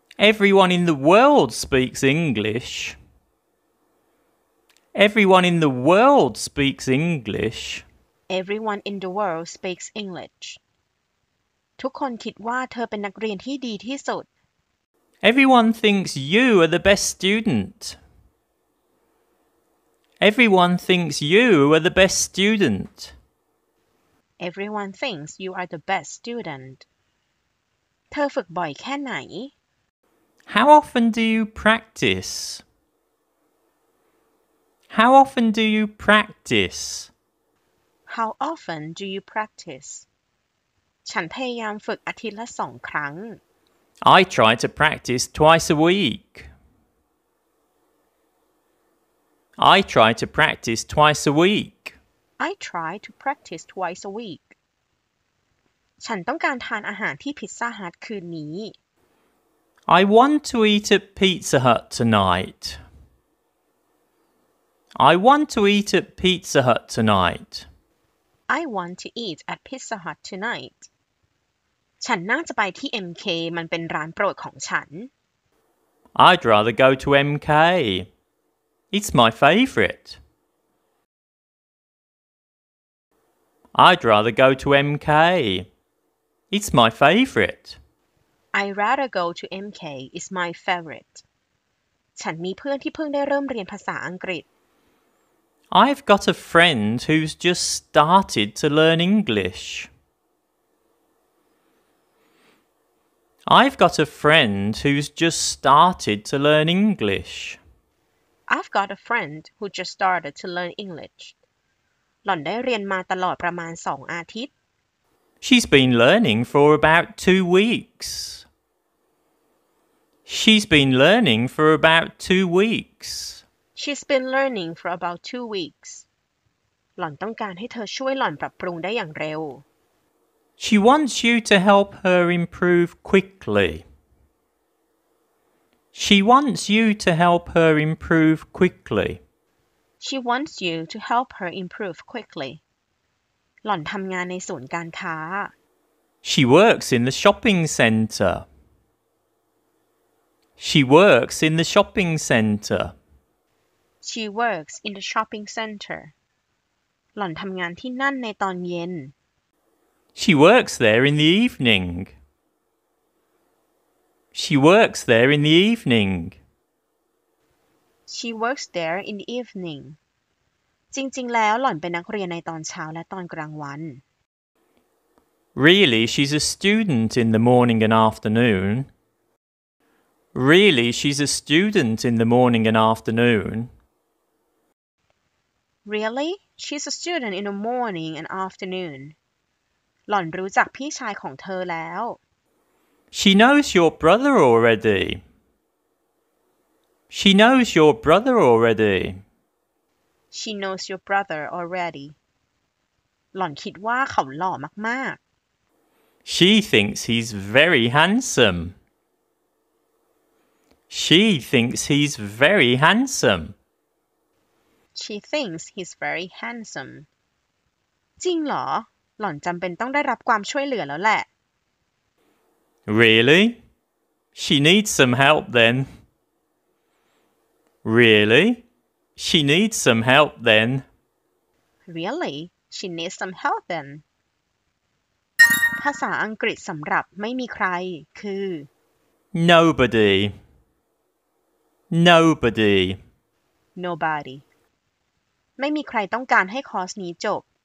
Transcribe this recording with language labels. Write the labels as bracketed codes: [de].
[en] Everyone in the world speaks English. Everyone in the world speaks English. Everyone in the world speaks English. [th] ทุกคนคิดว่าเธอเป็นนักเรียนที่ดีที่สุด [en] Everyone thinks you are the best student. Everyone thinks you are the best student. Everyone thinks you are the best student. [th] เธอฝึกบ่อยแค่ไหน [en] How often do you practice? How often do you practice? How often do you practice? [th] ฉันพยายามฝึกอาทิตย์ละสองครั้ง [en] I try to practice twice a week. I try to practice twice a week. I try to practice twice a week. [th] ฉันต้องการทานอาหารที่พิซซ่าฮัทคืนนี้ [en] I want to eat at Pizza Hut tonight. I want to eat at Pizza Hut tonight. I want to eat at Pizza Hut tonight. [th] ฉันน่าจะไปที่ MK มันเป็นร้านโปรดของฉัน [en] I'd rather go to MK. It's my favorite. I'd rather go to MK. It's my favorite. I'd rather go to MK. It's my favorite. [th] ฉันมีเพื่อนที่เพิ่งได้เริ่มเรียนภาษาอังกฤษ [en] I've got a friend who's just started to learn English. I've got a friend who's just started to learn English. I've got a friend who just started to learn English. [th] หล่อนได้เรียนมาตลอดประมาณ2อาทิตย์ [en] She's been learning for about 2 weeks. She's been learning for about 2 weeks. She's been learning for about 2 weeks. [th] หล่อนต้องการให้เธอช่วยหล่อนปรับปรุงได้อย่างเร็ว [en] She wants you to help her improve quickly. She wants you to help her improve quickly. She wants you to help her improve quickly. [th] หล่อนทำงานในศูนย์การค้า [en] She works in the shopping center. She works in the shopping center. She works in the shopping center. [th] หล่อนทำงานที่นั่นในตอนเย็น [en] She works there in the evening. She works there in the evening. She works there in the evening. [th] จริงๆแล้วหล่อนเป็นนักเรียนในตอนเช้าและตอนกลางวัน [en] Really, she's a student in the morning and afternoon. Really, she's a student in the morning and afternoon. Really? She's a student in the morning and afternoon. [th] หล่อนรู้จักพี่ชายของเธอแล้ว [en] She knows your brother already. She knows your brother already. She knows your brother already. [th] หล่อนคิดว่าเขาหล่อมาก [en] ๆ She thinks he's very handsome. She thinks he's very handsome. She thinks he's very handsome. [th] จริงเหรอหล่อนจำเป็นต้องได้รับความช่วยเหลือแล้วแหละ [en] Really? She needs some help then. Really? She needs some help then. Really? She needs some help then. [th] ภาษาอังกฤษสำหรับไม่มีใครคือ [en] Nobody. Nobody. Nobody. [th] ไม่มีใครต้องการให้คอร์สนี้จบ